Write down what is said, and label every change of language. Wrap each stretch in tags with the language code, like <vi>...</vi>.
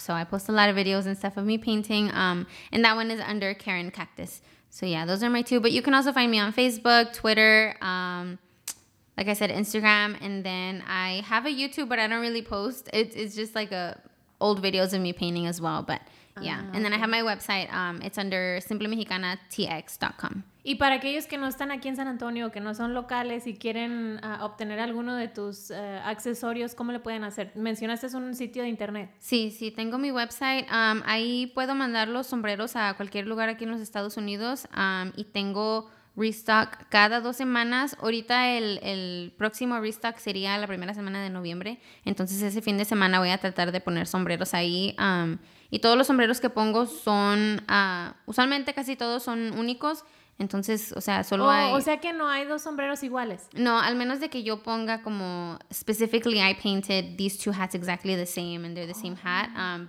<en>So, I post a lot of videos and stuff of me painting. And that one is under Karen Cactus. So, yeah, those are my two. But you can also find me on Facebook, Twitter, like I said, Instagram. And then I have a YouTube, but I don't really post. It's just like old videos of me painting as well. But, yeah. And then I have my website. It's under SimpleMexicanaTX.com.</en> <es>Y para aquellos que no están aquí en San Antonio, que no son locales y quieren obtener alguno de tus accesorios, ¿cómo le pueden hacer? Mencionaste un sitio de internet. Sí, sí, tengo mi website. Ahí puedo mandar los sombreros a cualquier lugar aquí en los Estados Unidos. Y tengo restock cada 2 semanas. Ahorita el próximo restock sería la primera semana de noviembre. Entonces ese fin de semana voy a tratar de poner sombreros ahí. Y todos los sombreros que pongo son, usualmente casi todos son únicos. Entonces, o sea, solo hay... O sea que no hay dos sombreros iguales. No, al menos de que yo ponga como...</es> <en>Specifically, I painted these two hats exactly the same and they're the same hat.</en>